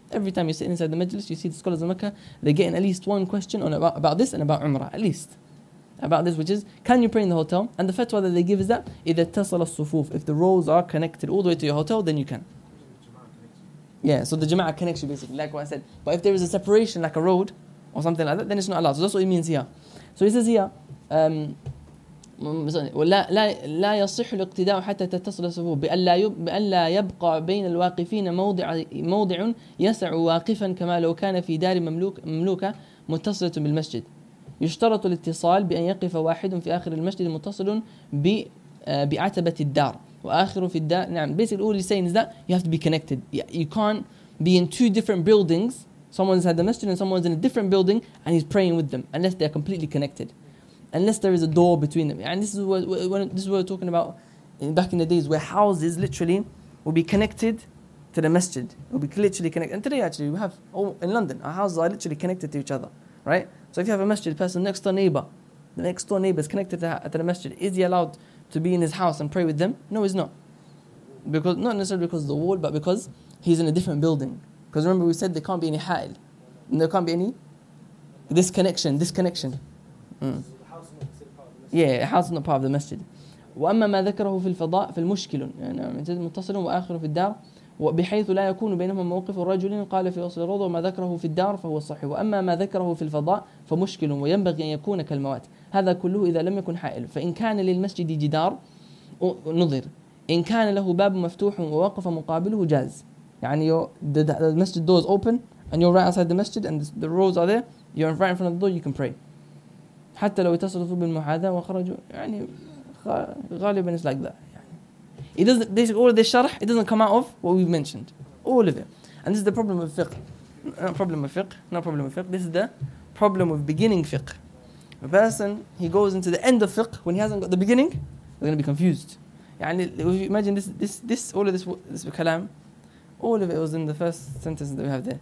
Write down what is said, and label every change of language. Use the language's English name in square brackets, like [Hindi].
[English] Every time you sit inside the majlis, you see the scholars of Mecca, they're getting at least one question on about this and about Umrah, at least. About this, which is, can you pray in the hotel? And the fatwa that they give is that, [Arabic] إِذَا تَصَلَ الصُّفُوفِ, [English] if the rows are connected all the way to your hotel, then you can. Yeah, so the jama'ah connects you basically, like what I said. But if there is a separation, like a road, or something like that, then it's not allowed. So that's what he means here. [Arabic] So he says here, لا يصح الاقتداء حتى تتصل الصفوف بأن لا يبقى بين الواقفين موضع يسع واقفا كما لو كان في دار مملوكة متصلة بالمسجد. يشترط الاتصال بأن يقف واحد في آخر المسجد متصل بعتبة الدار وآخر في الدار. [English] نعم, basically all he's saying is that you have to be connected. You can't be in two different buildings. Someone's had the masjid and someone's in a different building and he's praying with them unless they're completely connected. Unless there is a door between them. And this is what we're talking about back in the days where houses literally will be connected to the masjid. It will be literally connected. And today actually we have, in London, our houses are literally connected to each other. Right? So if you have a masjid person, the next door neighbor is connected to the masjid. Is he allowed to be in his house and pray with them? No, he's not. Because, not necessarily because of the wall, but because he's in a different building. Because remember we said there can't be any ha'il. And there can't be any disconnection. Yeah, the house is not part of the masjid. [Arabic] وأما ما ذكره في الفضاء في المشكل يعني متصل وآخر في الدار بحيث لا يكون بينهما موقف الرجل قال في أصل الرضو ما ذكره في الدار فهو صحيح وأما ما ذكره في الفضاء فمشكل وينبغي أن يكون كالموات هذا كله إذا لم يكن حائل فإن كان للمسجد جدار نظر إن كان له باب مفتوح ووقف مقابله جاز يعني [English] the masjid door is open and you're right outside the masjid and the roads are there, you're right in front of the door, you can pray. [Arabic] حتى لو يتصرفوا بالمحاذاة وخرجوا يعني غالبا [English] it's like that. It doesn't, this, all of this sharh, it doesn't come out of what we've mentioned. All of it. And this is the problem of fiqh. Not problem of fiqh. This is the problem of beginning fiqh. A person, he goes into the end of fiqh, when he hasn't got the beginning, they're going to be confused. يعني, if you imagine this, all of this kalam, all of it was in the first sentence that we have there.